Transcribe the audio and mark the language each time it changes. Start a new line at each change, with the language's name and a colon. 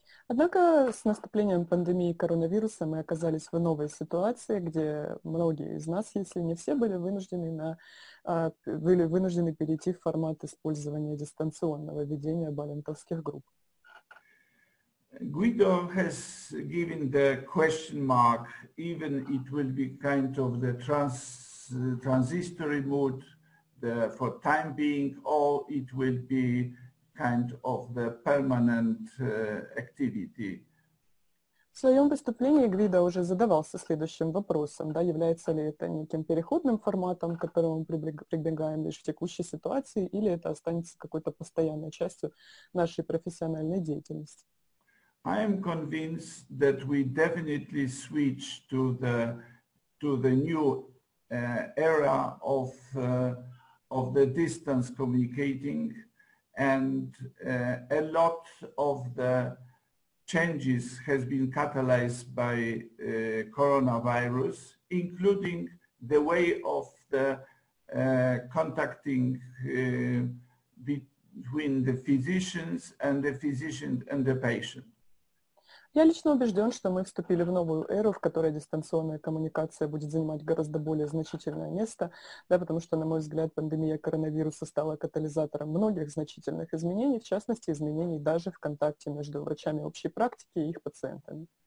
Russian: Однако с наступлением пандемии коронавируса мы оказались в новой ситуации, где многие из нас, если не все, были вынуждены перейти в формат использования дистанционного ведения балинтовских групп.
English: Guido has given the question mark, even it will be kind of the transitory mode for time being, or it will be kind of the permanent activity.
Russian: В своем выступлении Гвидо уже задавался следующим вопросом, да, является ли это неким переходным форматом, к которому мы прибегаем лишь в текущей ситуации, или это останется какой-то постоянной частью нашей профессиональной деятельности.
English: I am convinced that we definitely switch to the new era of the distance communicating. And a lot of the changes has been catalyzed by coronavirus, including the way of the contacting between the physicians and the physician and the patient.
Russian: Я лично убежден, что мы вступили в новую эру, в которой дистанционная коммуникация будет занимать гораздо более значительное место, да, потому что, на мой взгляд, пандемия коронавируса стала катализатором многих значительных изменений, в частности, изменений даже в контакте между врачами общей практики и их пациентами.